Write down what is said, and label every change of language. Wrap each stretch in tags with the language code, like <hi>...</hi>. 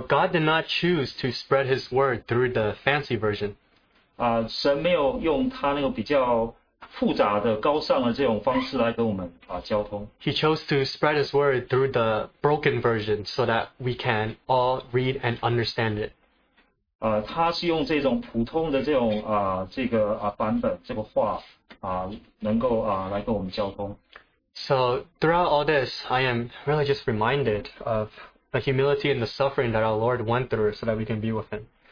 <en>God did not choose to spread His word through the fancy version.</en> <zh>神没有用他那个比较复杂的高尚的这种方式来跟我们交通。He</zh> <en>chose to spread His word through the broken version so that we can all read and understand it.</en> <zh>他是用这种普通的这种版本，这个话，能够来跟我们交通。So</zh> <en>throughout all this, I am really just reminded of the humility and the suffering that our Lord went through so that we can be with Him.</en>